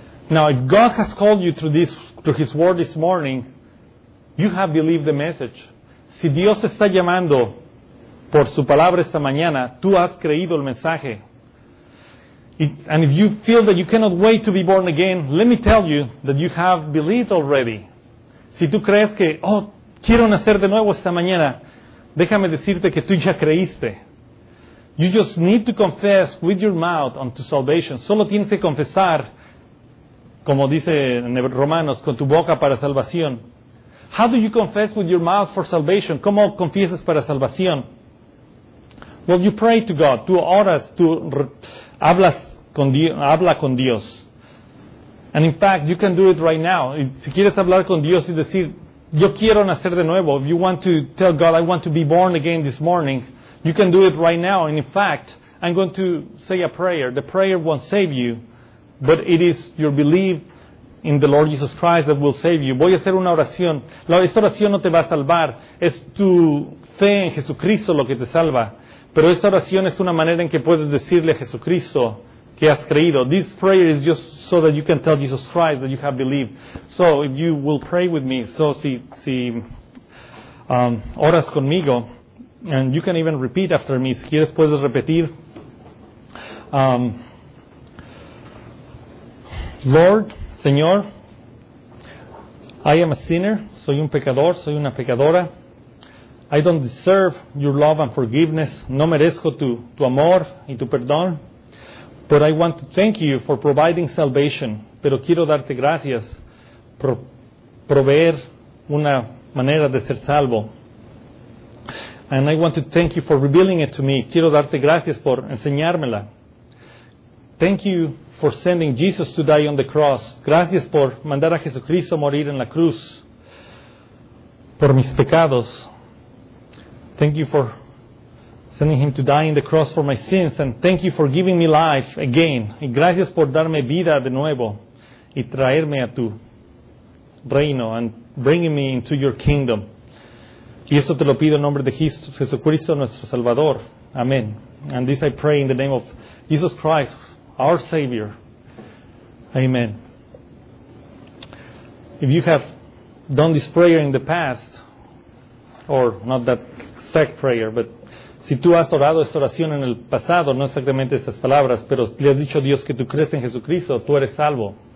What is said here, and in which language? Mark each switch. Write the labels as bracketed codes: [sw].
[en] Now, if God has called you through His word this morning, you have believed the message. [es] Si Dios está llamando por su palabra esta mañana, tú has creído el mensaje. [en] And if you feel that you cannot wait to be born again, let me tell you that you have believed already. [es] Si tú crees que, oh, quiero nacer de nuevo esta mañana, déjame decirte que tú ya creíste. [en] You just need to confess with your mouth unto salvation. [es] Solo tienes que confesar, como dice en Romanos, con tu boca para salvación. [en] How do you confess with your mouth for salvation? [es] ¿Cómo confiesas para salvación? [en] Well, you pray to God. [es] Tú oras, tú habla con Dios. [en] And in fact, you can do it right now. [es] Si quieres hablar con Dios y decir, yo quiero nacer de nuevo, [en] if you want to tell God, I want to be born again this morning, you can do it right now. And in fact, I'm going to say a prayer. The prayer won't save you, but it is your belief in the Lord Jesus Christ that will save you. [es] Voy a hacer una oración. Esta oración no te va a salvar. Es tu fe en Jesucristo lo que te salva. Pero esta oración es una manera en que puedes decirle a Jesucristo que has creído. [en] This prayer is just so that you can tell Jesus Christ that you have believed. So, if you will pray with me. So, [es] si oras conmigo, [en] and you can even repeat after me. [es] Si quieres, puedes repetir. [en] Lord, Señor, I am a sinner. [es] Soy un pecador, soy una pecadora. [en] I don't deserve your love and forgiveness. [es] No merezco tu amor y tu perdón. [en] But I want to thank you for providing salvation. [es] Pero quiero darte gracias por proveer una manera de ser salvo. [en] And I want to thank you for revealing it to me. [es] Quiero darte gracias por enseñármela. [en] Thank you for sending Jesus to die on the cross. [es] Gracias por mandar a Jesucristo morir en la cruz por mis pecados. [en] Thank you for sending him to die in the cross for my sins, and thank you for giving me life again. [es] Y gracias por darme vida de nuevo y traerme a tu reino [en] and bringing me into your kingdom. [es] Y eso te lo pido en nombre de Jesucristo, nuestro Salvador. Amen. [en] And this I pray in the name of Jesus Christ, our Savior. Amen. If you have done this prayer in the past, or not that exact prayer, but [es] si tú has orado esta oración en el pasado, no exactamente estas palabras, pero le has dicho a Dios que tú crees en Jesucristo, tú eres salvo.